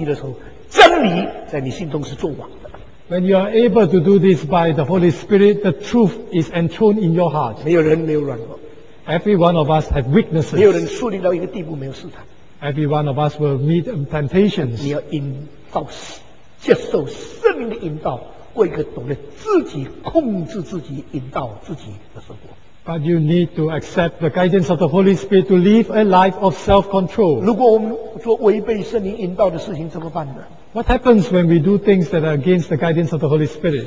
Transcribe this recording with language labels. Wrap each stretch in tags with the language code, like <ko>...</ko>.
<zh>当圣灵有这样的工作，使你达到一个能自己控制自己的时候，真理在你心中是作王。</zh> <en>When you are able to do this by the Holy Spirit, the truth is enthroned in your heart.</en> <zh>没有人没有软弱。</zh> <en>Every one of us have weaknesses.</en> <zh>没有人树立到一个地步没有试探。</zh> <en>Every one of us will meet temptations.</en> <zh>你要引导，接受圣灵的引导，过一个懂得自己控制自己、引导自己的生活。</zh> <en>But you need to accept the guidance of the Holy Spirit to live a life of self-control.</en> <zh>如果我们做违背圣灵引导的事情，怎么办呢？</zh> <en>What happens when we do things that are against the guidance of the Holy Spirit?</en>